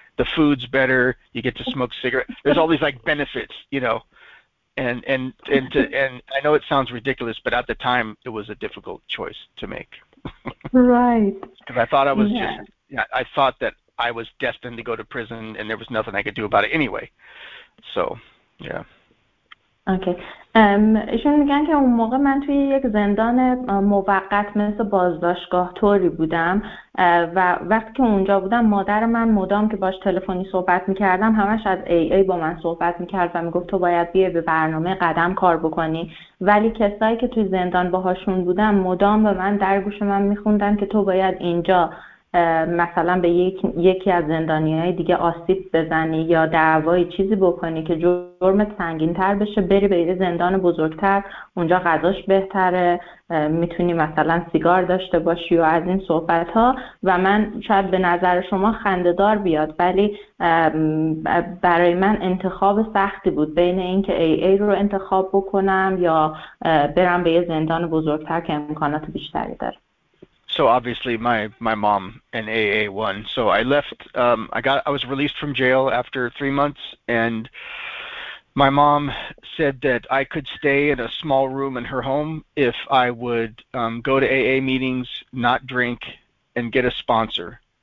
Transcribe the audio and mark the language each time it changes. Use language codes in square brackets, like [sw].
[en] The food's better. You get to smoke cigarettes. There's all these like benefits, you know. And I know it sounds ridiculous, but at the time it was a difficult choice to make. Right. Because I thought I was I thought that I was destined to go to prison and there was nothing I could do about it anyway. So, yeah. Okay. [fa] ایشون میگن که اون موقع من توی یک زندان موقت مثل بازداشتگاه طوری بودم، و وقتی که اونجا بودم مادر من مدام که باش تلفنی صحبت میکردم همش از AA با من صحبت میکرد و میگفت تو باید بیای به برنامه قدم کار بکنی، ولی کسایی که توی زندان باهاشون بودم مدام به من در گوش من میخوندن که تو باید اینجا مثلا به یکی از زندانیهای دیگه آسیب بزنی یا دعوای چیزی بکنی که جرمت سنگین تر بشه، بری به یه زندان بزرگتر، اونجا غذاش بهتره، میتونی مثلا سیگار داشته باشی و از این صحبت ها. و من شاید به نظر شما خنددار بیاد، ولی برای من انتخاب سختی بود بین اینکه AA رو انتخاب بکنم یا برم به یه زندان بزرگتر که امکانات بیشتری داره. [en] So obviously my mom and AA won. So I left, I was released from jail after 3 months, and my mom said that I could stay in a small room in her home if I would go to AA meetings, not drink, and get a sponsor.